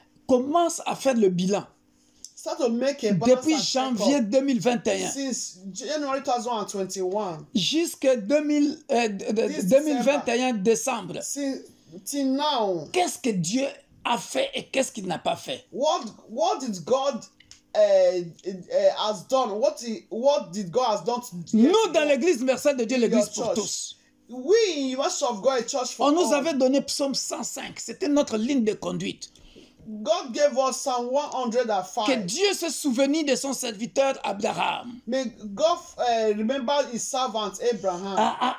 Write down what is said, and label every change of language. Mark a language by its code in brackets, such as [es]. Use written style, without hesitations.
[fr] Commence à faire le bilan. [en] Start to make a [fr] depuis janvier 2021. [en] Since January 2021. [fr] Jusqu'à 2021 décembre. [en] Till now. [fr] Qu'est-ce que Dieu a fait et qu'est-ce qu'il n'a pas fait? [en] What did God has done, what did God has done to you? [fr] Nous dans l'Église universelle de Dieu, l'Église pour tous. [en] We in the universe of God, a church for all. [fr] On nous avait donné psaume 105, c'était notre ligne de conduite. [en] God gave us Psalm 105. [fr] Que Dieu se souvenit de son serviteur Abraham. [en] May God remember his servant Abraham.